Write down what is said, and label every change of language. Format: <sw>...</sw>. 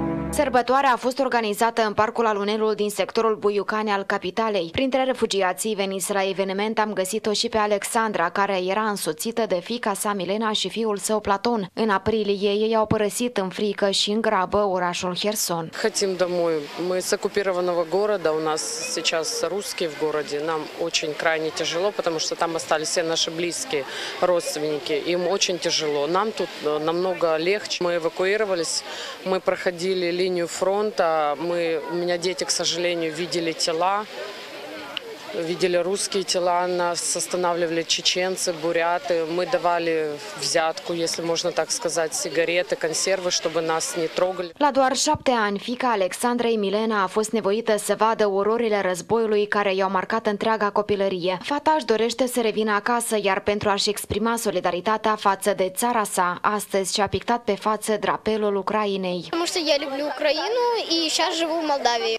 <ro>Sărbătoarea a fost organizată în Parcul Alunelul din sectorul Buiucani al capitalei. Printre refugiații veniți la eveniment am găsit-o și pe Alexandra, care era însoțită de fiica sa Milena și fiul său Platon. În aprilie ei au părăsit în frică și în grabă orașul Herson.</ro> <ru>Хотим домой. Мы с оккупированного города, у нас сейчас русские в городе. Нам очень крайне тяжело, потому что там остались все наши близкие родственники. Им очень тяжело. Нам тут намного легче. Мы эвакуировались, мы проходили линию фронта, у меня дети, к сожалению, видели тела, видели русские тела, нас останавливали чеченцы, буряты, мы давали взятку, если можно так сказать, сигареты, консервы, чтобы нас не трогали.</ru> <ro>La doar 7 ani, fiica Alexandrei Milena a fost nevoită să vadă ororile războiului care i-au marcat întreaga copilărie. Fata își dorește să revină acasă, iar pentru a-și exprima solidaritatea față de țara sa, astăzi și-a pictat pe față drapelul Ucrainei. Pentru că eu iubesc Ucraina și chiar</ro> <ru>живу</ru> <ro>în Moldavia.</ro>